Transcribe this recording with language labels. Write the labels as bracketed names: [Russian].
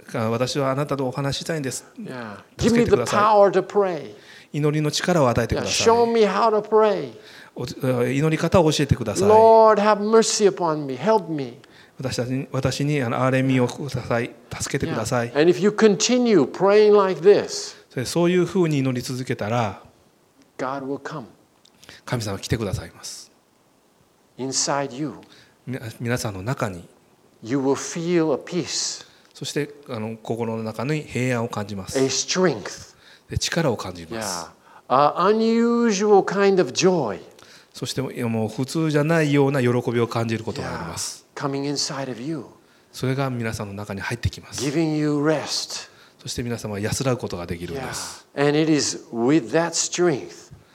[Japanese] 私はあなたとお話したいんです。 [English] Give me the power to pray. [Japanese] 祈りの力を与えてください。 [English] Show me how to pray. [Japanese] 祈り方を教えてください。 [English] Lord, have mercy upon me. Help me. [Japanese] 私に憐れみをください。助けてください。 [English] And if you continue praying like this, [Japanese] そういうふうに祈り続けたら、 [English] God will come. [Japanese] 神様は来てくださいます。 [English] Inside you, [Japanese] 皆さんの中に、 [English] you will feel a peace. [Japanese] そして心の中に平安を感じます。 [English] A strength. [Japanese] 力を感じます。 [English] Yeah. A unusual kind of joy. [Japanese] そしてもう普通じゃないような喜びを感じることがあります。 [English] Yeah. Coming inside of you. [Japanese] それが皆さんの中に入ってきます。 [English] Giving you rest. [Japanese] そして皆様は安らぐことができるんです。 [English] Yeah. And it is with that strength.